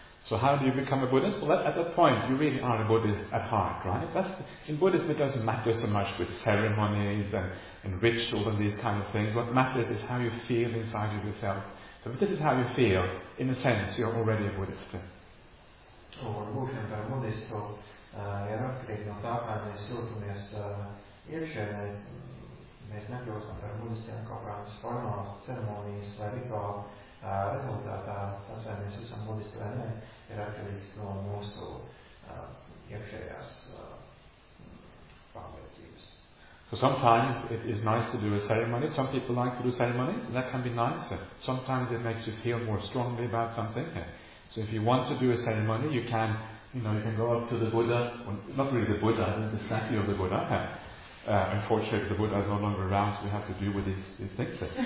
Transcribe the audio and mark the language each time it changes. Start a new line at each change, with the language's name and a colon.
English: So how do you become a Buddhist? Well, at that point, you really are a Buddhist at heart, right? In Buddhism, it doesn't matter so much with ceremonies and rituals and these kind of things. What matters is how you feel inside of yourself. So this is how you feel, in a sense, you're already a Buddhist.
Latvian: Un būšana par Buddhistu ir atkarīga no tā, kā mēs jūtamies iekšēnē. Mēs nekļūstam par Buddhistiem kaut kādas formālas ceremonijas vai rituālu rezultātā. Tas, vai mēs esam Buddhisti vai ne, ir atkarīgs no mūsu iekšējās pārliecības.
English: So sometimes it is nice to do a ceremony. Some people like to do ceremony, and that can be nice. Sometimes it makes you feel more strongly about something. So if you want to do a ceremony, you can go up to the Buddha, well, not really the Buddha, but the statue of the Buddha. Unfortunately, the Buddha is no longer around, so we have to deal with these things.